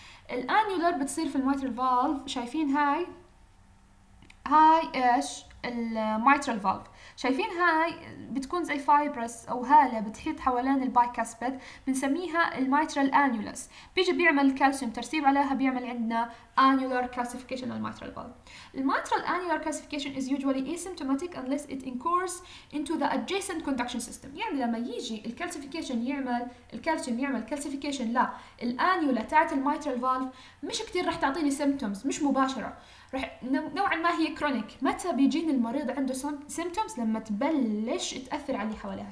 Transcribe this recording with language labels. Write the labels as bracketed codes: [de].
[ar] الانيولر بتصير في المايترال فالف، شايفين هاي، هاي ايش المايترال فالف، شايفين هاي بتكون زي فايبرس او هاله بتحيط حوالين البايكاسبيد، بنسميها المايترال انيولس. بيجي بيعمل كالسيوم ترسيب عليها، بيعمل عندنا انيولر كالسيفيكيشن للمايترال فالف. [en] المايترال انيولر كالسيفيكيشن is usually asymptomatic unless it incurs into the adjacent conduction system. [ar] يعني لما يجي الكالسيفيكيشن يعمل الكالسيوم يعمل كالسيفيكيشن لا الانيولا تاعت المايترال فالف، مش كتير رح تعطيني سيمبتومز، مش مباشره، رح نوعا ما هي كرونيك. متى بيجين المريض عنده سيمبتومز؟ لما تبلش تاثر على اللي حواليها.